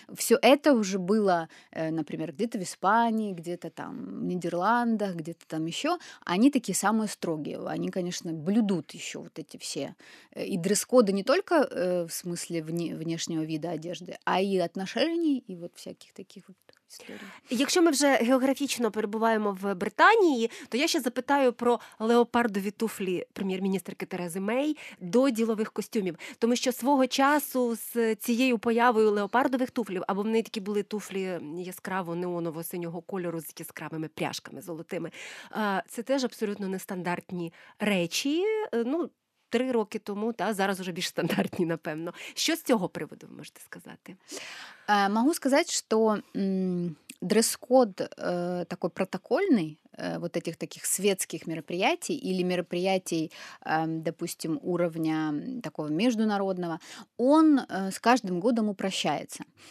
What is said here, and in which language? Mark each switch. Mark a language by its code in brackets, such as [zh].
[ru] Все это уже было, например, где-то в Испании, где-то там в Нидерландах, где-то там еще. Они такие самые строгие. Они, конечно, блюдут еще вот эти все. И дресс-коды не только в смысле внешнего вида одежды, а и отношений, и вот всяких таких вот [uk] історії. Якщо ми вже географічно перебуваємо в Британії, то я ще запитаю про леопардові туфлі прем'єр-міністрки Терези Мей до ділових костюмів. Тому що свого часу з цією появою леопардових туфлів, або в неї такі були туфлі яскраво-неоново-синього кольору з яскравими пряжками золотими, це теж абсолютно нестандартні речі. Ну, 3 роки тому, та зараз уже більш стандартні, напевно. Що з цього приводу ви можете сказати? [ru] Могу [uk] сказати, що дрес-код такий протокольний, [ru] вот этих таких светских мероприятий или мероприятий, допустим, уровня такого международного, он с каждым годом упрощается.